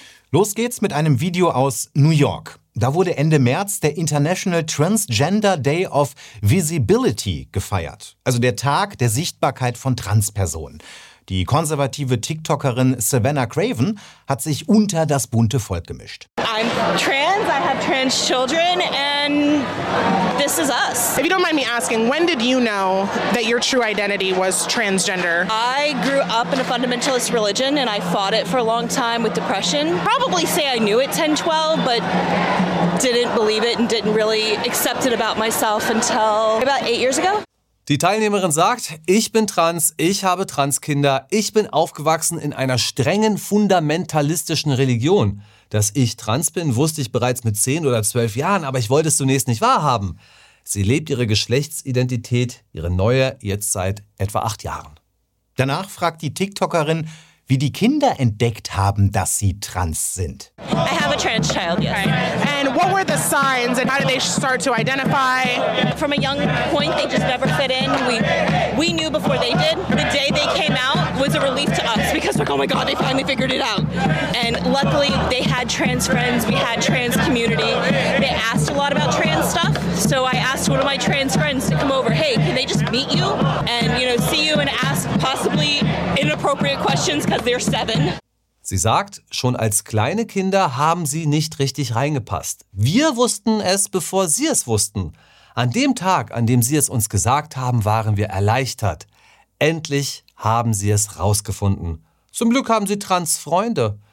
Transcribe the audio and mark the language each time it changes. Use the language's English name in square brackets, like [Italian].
[German] Los geht's mit einem Video aus New York. Da wurde Ende März der International Transgender Day of Visibility gefeiert. Also der Tag der Sichtbarkeit von Transpersonen. Die konservative TikTokerin Savannah Craven hat sich unter das bunte Volk gemischt. [English] I'm trans, I have trans children and this is us. If you don't mind me asking, when did you know that your true identity was transgender? I grew up in a fundamentalist religion and I fought it for a long time with depression. Probably say I knew it 10, 12, but didn't believe it and didn't really accept it about myself until about 8 years ago. [German] Die Teilnehmerin sagt, ich bin trans, ich habe Transkinder, ich bin aufgewachsen in einer strengen, fundamentalistischen Religion. Dass ich trans bin, wusste ich bereits mit 10 oder 12 Jahren, aber ich wollte es zunächst nicht wahrhaben. Sie lebt ihre Geschlechtsidentität, ihre neue, jetzt seit etwa 8 Jahren. Danach fragt die TikTokerin, wie die Kinder entdeckt haben, dass sie trans sind. [English] I have a trans child, yes. And what were the signs and how did they start to identify? From a young point, they just never fit in. We We knew before they did. The day they came out was a relief to us because we're like, oh my God, they finally figured it out. And luckily, they had trans friends. We had trans community. They asked a lot about trans stuff. So I asked one of my trans friends to come over. Hey, can they just meet you and, you know, see you and ask possibly inappropriate questions because they're seven. [German] Sie sagt, schon als kleine Kinder haben sie nicht richtig reingepasst. Wir wussten es, bevor sie es wussten. An dem Tag, an dem sie es uns gesagt haben, waren wir erleichtert. Endlich haben sie es rausgefunden. Zum Glück haben sie Trans-Freunde.